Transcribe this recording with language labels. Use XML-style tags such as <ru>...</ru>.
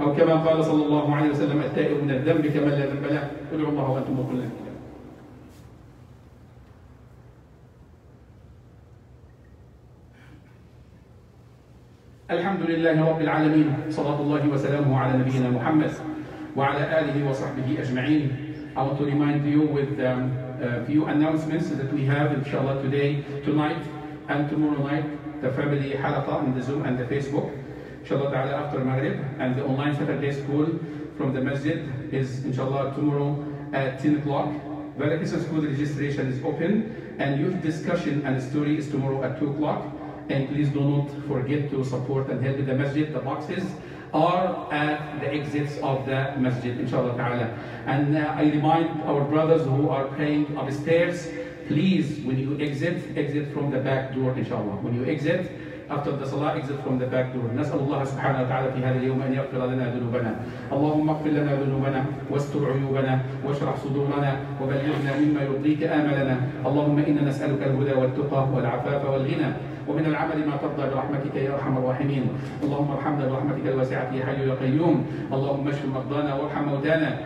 <ar>أو كما قال صلى الله عليه وسلم, التائب من الذنب كمن لا ذنب له. ادعوا الله وأنتم مقبلون. الحمد لله رب العالمين, صلاة الله وسلامه على نبينا محمد وعلى آله وصحبه أجمعين.</ar> <en>I want to remind you with a few announcements that we have inshallah today, tonight and tomorrow night, the family halaqa on the Zoom and the Facebook, inshallah ta'ala after Maghrib, and the online Saturday school from the masjid is inshallah tomorrow at 10 o'clock. Valakisa school registration is open, and youth discussion and story is tomorrow at 2 o'clock. And please do not forget to support and help the masjid. The boxes are at the exits of the masjid, inshallah ta'ala. And I remind our brothers who are praying upstairs, please, when you exit from the back door, inshallah. When you exit, after the salah, exit from the back door.</en> <ar>نسأل الله سبحانه وتعالى في هذا اليوم أن يغفر لنا ذنوبنا. اللهم اغفر لنا ذنوبنا واستر عيوبنا واشرح صدورنا وبلغنا مما يرضيك آملنا. اللهم إنا نسألك الهدى والتقى والعفاف والغنى ومن العمل ما ترضى برحمتك يا ارحم الراحمين. اللهم ارحمنا برحمتك الواسعه يا حي يا قيوم. اللهم اشف مرضانا وارحم موتانا.</ar>